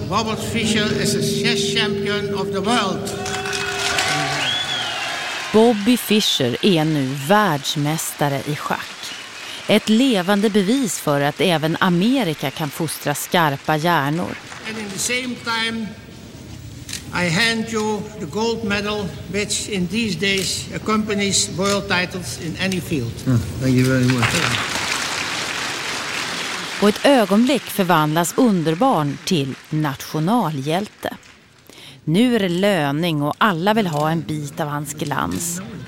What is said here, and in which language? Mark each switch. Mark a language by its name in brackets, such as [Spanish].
[English] Robert Fischer as a chess champion of the world. [Swedish] Bobby Fischer är nu världsmästare i schack. Ett levande bevis för att även Amerika kan fostra skarpa hjärnor. [English] And in the same time I hand you the gold medal which in these days accompanies world titles in any field. Thank you very much. [Swedish] På ett ögonblick förvandlas underbarn till nationalhjälte. Nu är det löning och alla vill ha en bit av hans glans.